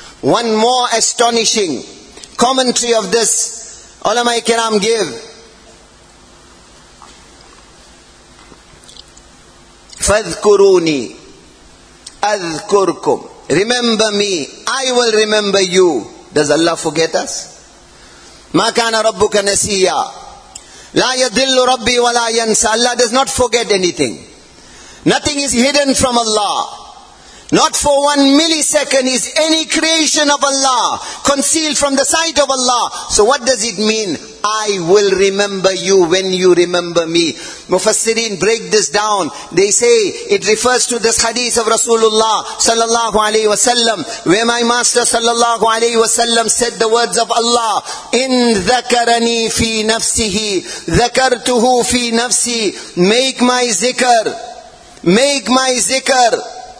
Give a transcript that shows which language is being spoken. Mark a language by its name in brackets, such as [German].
[English] One more astonishing commentary of this, Ulama Ikram give. [Arabic] فَاذْكُرُونِي أَذْكُرْكُمْ. [English] Remember me, I will remember you. Does Allah forget us? [Arabic] مَا كَانَ رَبُّكَ نَسِيَّا لَا يَدِلُّ رَبِّي وَلَا يَنْسَى. [English] Allah does not forget anything. Nothing is hidden from Allah. Not for one millisecond is any creation of Allah concealed from the sight of Allah. So what does it mean? I will remember you when you remember me. Mufassirin break this down. They say it refers to this hadith of Rasulullah sallallahu alaihi wasallam, where my master sallallahu alaihi wasallam said the words of Allah, [Arabic] in dhakarani fi nafsihi, dhakartuhu fi nafsi, [English] make my zikr, make my zikr.